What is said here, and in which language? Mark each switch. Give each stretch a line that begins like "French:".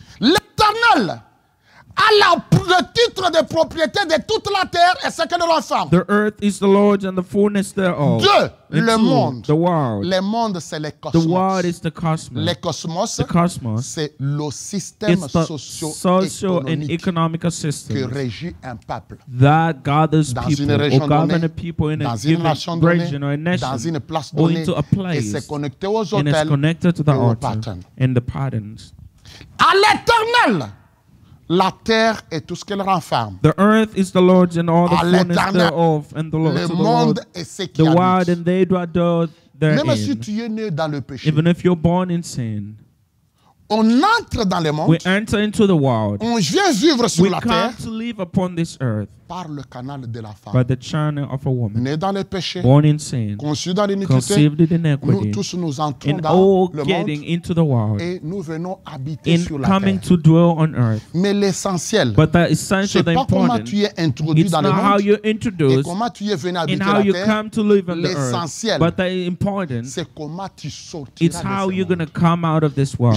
French: L'Éternel a le titre de propriété de toute la terre et ce que nous en sommes.
English: The earth is the Lord's and the fullness thereof.
French: Dieu, le monde.
English: The world.
French: Le monde, c'est le cosmos.
English: The world is the cosmos.
French: Le cosmos,
English: the cosmos,
French: c'est le système socio-économique
English: and economical system
French: que régit un peuple.
English: That gathers people
French: dans
English: or govern a people in a given region
French: donnée,
English: or a nation
French: dans une place donnée,
English: or into a place
French: et c'est connecté aux hôtels,
English: and it's connected to the
French: et
English: altar pattern. And the patterns.
French: À l'Éternel la terre et tout ce qu'elle renferme.
English: The earth is the Lord's and all the fullness thereof, and the Lord's
French: le monde est ce qu'il y a.
English: The world and they do adore therein.
French: Même si tu es né dans le péché.
English: Even if you're born in sin.
French: On entre dans le monde.
English: We enter into the world.
French: On vient vivre sur
English: we
French: la terre.
English: We come to live upon this earth.
French: Par le canal de la femme.
English: By the channel of a woman.
French: Né dans le péché.
English: Born in sin.
French: Conçu dans l'iniquité.
English: Conceived in iniquity.
French: Nous tous nous entrons
English: and
French: dans le monde.
English: And all getting into the world.
French: Et nous venons habiter
English: and
French: sur la
English: coming
French: terre.
English: To dwell on earth.
French: Mais l'essentiel.
English: But the essential, the important.
French: C'est pas comment tu es introduit dans le monde.
English: Introduced.
French: Et comment tu es venu habiter
English: and
French: la terre.
English: And how you come to live on the earth.
French: L'essentiel.
English: But the important.
French: C'est comment tu sortiras de ce monde.
English: It's how you're going to come out of this world.